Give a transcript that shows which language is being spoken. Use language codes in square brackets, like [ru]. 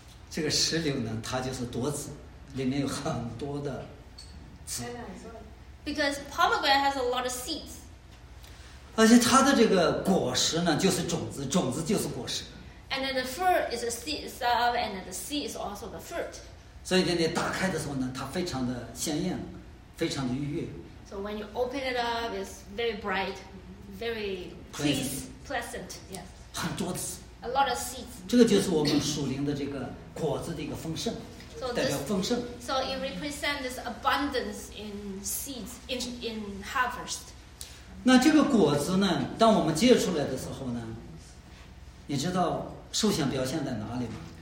[zh] 这个石榴呢，它就是多子，里面有很多的籽。 [en] Because pomegranate has a lot of seeds. [zh] 而且它的这个果实呢，就是种子，种子就是果实。 [en] And then the fruit is the seed itself, and the seed is also the fruit. [zh] 所以你打开的时候呢，它非常的鲜艳，非常的愉悦。 [en] So when you open it up, it's very bright, very pleasant, yes. [zh] 很多籽。 [en] A lot of seeds. [zh] 这个就是我们属灵的这个果子的一个丰盛，代表丰盛。 [en] So it represents this abundance in seeds, in harvest. [zh] 那这个果子呢，当我们结出来的时候呢，你知道受想表现在哪里吗？